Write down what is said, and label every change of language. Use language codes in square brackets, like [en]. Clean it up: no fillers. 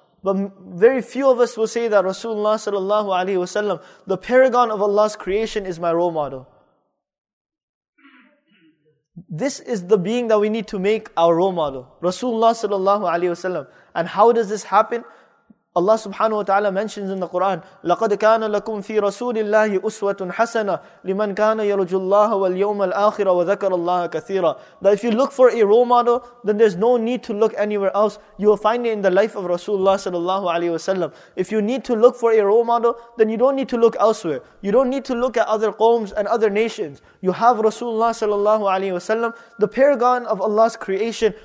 [en] But very few of us will say that Rasulullah sallallahu alaihi wasallam, the paragon of Allah's creation, is my role model. This is the being that we need to make our role model. Rasulullah sallallahu alaihi wasallam. And how does this happen? Allah subhanahu wa ta'ala mentions in the Quran, [ar] لَقَدْ كَانَ لَكُمْ فِي رَسُولِ اللَّهِ أُسْوَةٌ حَسَنَةٌ لِمَنْ كَانَ يَرُجُ اللَّهَ وَالْيَوْمَ الْآخِرَ وَذَكَرَ اللَّهَ كَثِيرًا. [en] That if you look for a role model, then there's no need to look anywhere else. You will find it in the life of Rasulullah sallallahu alaihi wasallam. If you need to look for a role model, then you don't need to look elsewhere. You don't need to look at other qawms and other nations. You have Rasulullah sallallahu alaihi wasallam, the paragon of Allah's creation.